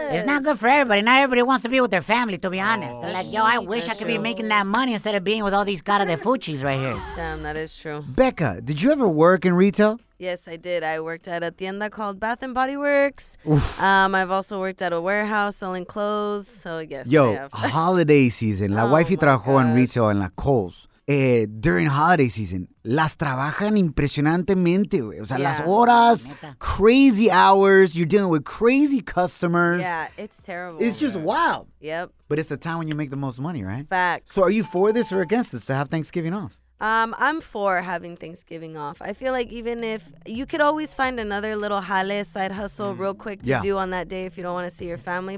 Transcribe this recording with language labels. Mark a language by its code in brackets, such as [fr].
[en] It's not good for everybody. Not everybody wants to be with their family, to be honest. They're like, yo, I wish I could be making that money instead of being with all these [es] cara de fuchis [en] right here. Damn, that is true. Becca, did you ever work in retail? Yes, I did. I worked at a tienda called Bath & Body Works. I've also worked at a warehouse selling clothes. So, yes, yo, I have. Holiday season. [es] La wifey trabajó en retail en la Kohl's. [en] During holiday season, [es] las trabajan impresionantemente, güey. O sea, las horas, [en] crazy hours, you're dealing with crazy customers. Yeah, it's terrible. It's just wild. Yep. But it's the time when you make the most money, right? Facts. So are you for this or against this to have Thanksgiving off? I'm for having Thanksgiving off. I feel like even if you could always find another little jale side hustle real quick to do on that day if you don't want to see your family.